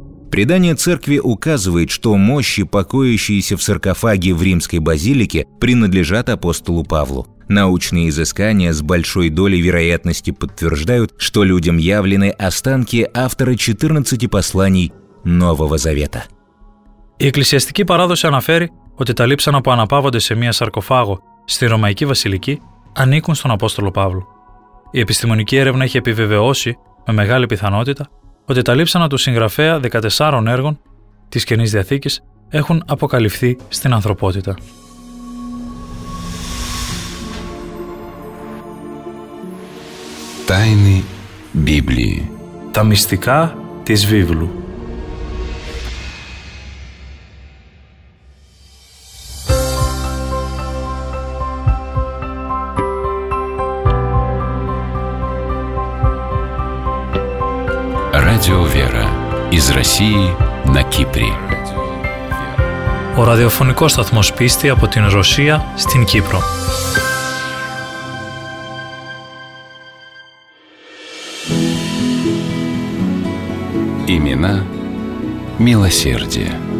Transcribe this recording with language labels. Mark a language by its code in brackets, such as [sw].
[ru] Предание церкви указывает, что мощи, покоящиеся в саркофаге в римской базилике, принадлежат апостолу Павлу. Научные изыскания с большой долей вероятности подтверждают, что людям явлены останки автора 14 посланий Нового Завета. [el] Η εκκλησιαστική παράδοση αναφέρει, ότι τα λείψανα που αναπαύονται σε μία σαρκοφάγο στη Ρωμαϊκή Βασιλική ανήκουν στον Απόστολο Παύλο. Η επιστημονική έρευνα έχει επιβεβαιώσει με μεγάλη πιθανότητα ότι τα λείψανα του συγγραφέα 14 έργων της Καινής Διαθήκης έχουν αποκαλυφθεί στην ανθρωπότητα. [ru] Τάινη Βίβλη. [el] Τα μυστικά της Βίβλου. [ru] Радио Вера из России на Кипре. [el] О радиофонικός сταθμός πίστη από την Ρωσία στην Κύπρο. [ru] Имена милосердия.